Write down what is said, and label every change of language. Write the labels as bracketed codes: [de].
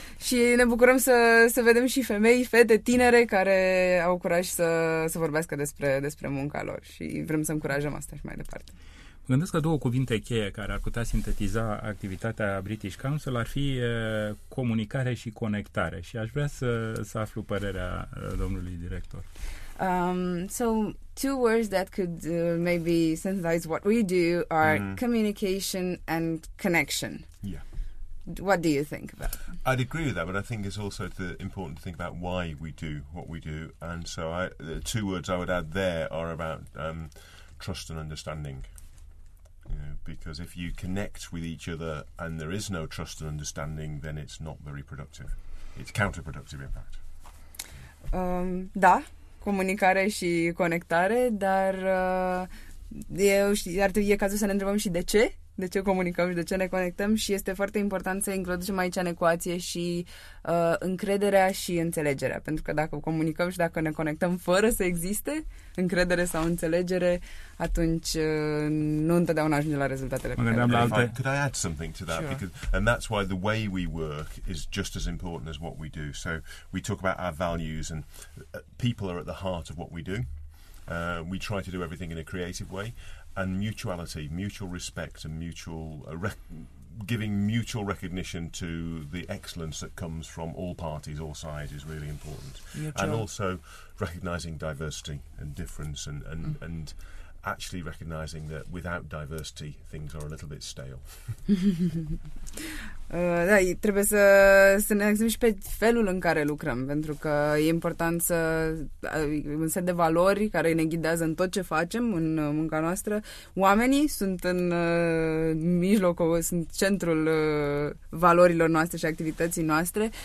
[ro] Și ne bucurăm să vedem și femei, fete, tinere, care au curaj să vorbească despre munca lor. Și vrem să încurajăm asta și mai departe. Gândesc că două cuvinte cheie care ar putea sintetiza activitatea British Council ar fi comunicare și conectare. Și aș vrea să aflu părerea domnului director. [en] So two words that could maybe synthesize what we do are communication and connection. Yeah. What do you think about that? I'd agree with that, but I think it's also important to think about why we do what we do. And so the two words I would add there are about trust and understanding. You know, because if you connect with each other and there is no trust and understanding, then it's not very productive. It's counterproductive, in fact. [ro] Da. Comunicare și conectare, dar e cazul să ne întrebăm și de ce? De ce comunicăm și de ce ne conectăm? Și este foarte important să introducem aici în ecuație și încrederea și înțelegerea. Pentru că dacă comunicăm și dacă ne conectăm fără să existe încredere sau înțelegere, atunci nu întotdeauna ajunge la rezultatele. [en] Could I add something to that? Sure. Because, and that's why the way we work is just as important as what we do. So we talk about our values and people are at the heart of what we do. We try to do everything in a creative way. And mutuality, mutual respect and mutual giving mutual recognition to the excellence that comes from all parties, all sides, is really important. And also recognizing diversity and difference and actually recognizing that without diversity things are a little bit stale. [ro] Da, trebuie să ne axăm și pe felul în care lucrăm, pentru că e important să un set de valori care ne ghidează în tot ce facem, în munca noastră. Oamenii sunt în mijlocul, sunt centrul valorilor noastre și activității noastre.